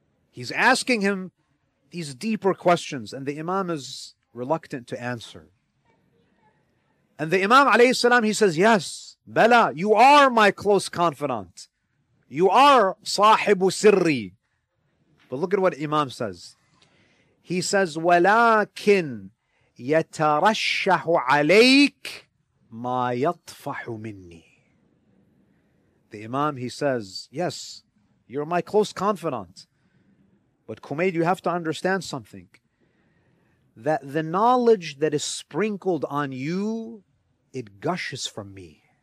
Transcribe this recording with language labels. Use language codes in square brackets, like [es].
[en] He's asking him these deeper questions and the Imam is reluctant to answer. And the Imam alayhi salam, he says, yes, Bala, you are my close confidant. You are [ar] صاحب سري. [en] But look at what Imam says. He says, [ar] وَلَكِنْ يَتَرَشَّحُ عَلَيْكَ مَا يَطْفَحُ مِنِّي. [en] The Imam, he says, yes, you're my close confidant. But Humayd, you have to understand something. that the knowledge that is sprinkled on you, it gushes from me.